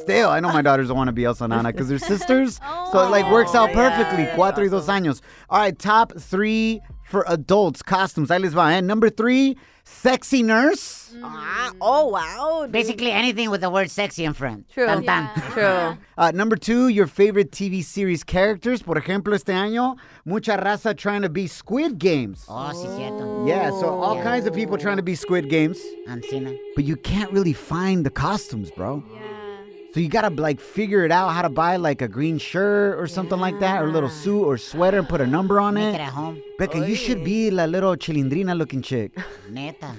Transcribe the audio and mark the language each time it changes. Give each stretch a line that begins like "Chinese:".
English: Still, I know my daughters don't want to be Elsa and Anna because they're sisters. Oh. So it like works out perfectly. Yeah.
Spanish: Cuatro y dos años.
English: All right, top three for adults costumes.
Spanish: Ahí les va.
English: And number three, sexy nurse. Wow. Dude. Basically anything with the word sexy in front. True. Tan, tan. Yeah. True. Number two, your favorite TV series characters.
Spanish: Por ejemplo, este año, mucha raza
English: trying to be Squid Games.
Spanish: Oh, sí, cierto.
English: Yeah, so all kinds of people trying to be Squid Games.
Spanish: Ancina.
English: But you can't really find the costumes, bro. Yeah. So you gotta like figure it out how to buy like a green shirt or something like that, or a little suit or sweater and put a number on it. Make it at home. Becca, you should be la little Chilindrina looking chick.
Spanish: Neta.